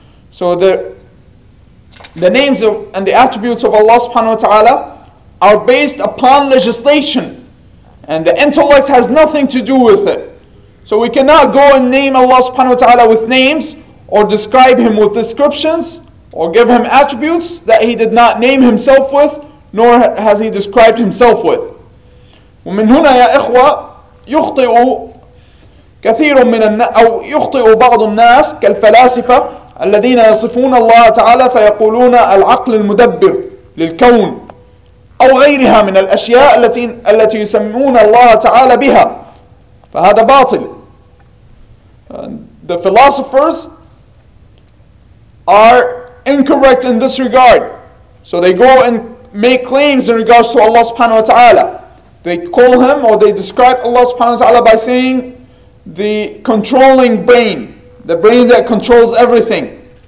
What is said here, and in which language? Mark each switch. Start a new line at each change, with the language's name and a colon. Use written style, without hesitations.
English: So the names of and the attributes of Allah subhanahu wa ta'ala are based upon legislation, and the intellect has nothing to do with it. So we cannot go and name Allah subhanahu wa ta'ala with names, or describe him with descriptions, or give him attributes that he did not name himself with, nor has he described himself with.
Arabic: ومن هنا يا إخوة يخطئ كثير من أو يخطئ بعض الناس كالفلاسفة الذين يصفون الله تعالى فيقولون العقل المدبر للكون أو غيرها من الأشياء التي يسمون الله تعالى بها، فهذا باطل.
English: The philosophers are incorrect in this regard. So they go and make claims in regards to Allah subhanahu wa ta'ala. They call him or they describe Allah subhanahu wa ta'ala by saying the controlling brain, the brain that controls everything.